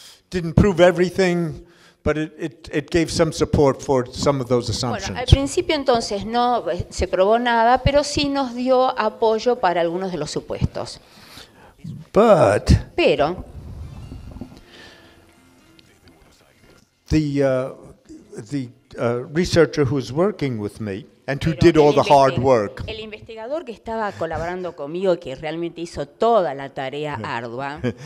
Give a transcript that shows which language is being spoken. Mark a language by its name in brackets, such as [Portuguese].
[English] Didn't prove everything, but it gave some support for some of those assumptions. [Spanish] Bueno, al principio entonces no se probó nada, pero sí nos dio apoyo para algunos de los supuestos. [English] But [Spanish] pero [English] the researcher who was working with me and who did all the hard work. [Spanish] El investigador que estaba colaborando conmigo y que realmente hizo toda la tarea ardua.